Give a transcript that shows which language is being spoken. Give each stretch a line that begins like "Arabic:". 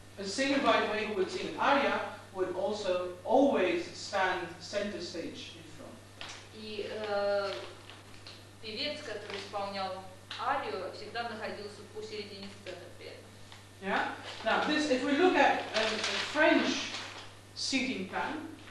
English: A singer, by the way, who would sing an aria, would also always stand center stage in front.
Russian: И певец, который исполнял арию, всегда находился посередине сцены при этом.
English: Yeah? Now, this, if we look at a French seating plan,